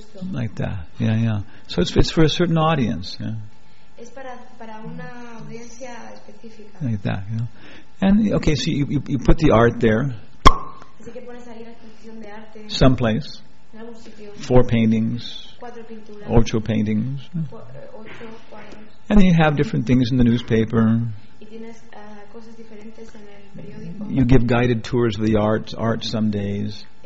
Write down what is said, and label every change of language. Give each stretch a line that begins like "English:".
English: Like that, yeah. So it's for a certain audience, yeah.
Spanish: Es para una audiencia específica.
English: Like that, you know. And okay, so you put the art there.
Spanish: Así que pones ahí la exposición de arte.
English: Someplace.
Spanish: En algún sitio.
English: Four paintings.
Spanish: Cuatro pinturas. Ocho
English: paintings.
Spanish: Ocho cuadros.
English: And then you have different things in the newspaper.
Spanish: Y tienes, cosas diferentes en el periódico.
English: You give guided tours of the art some days.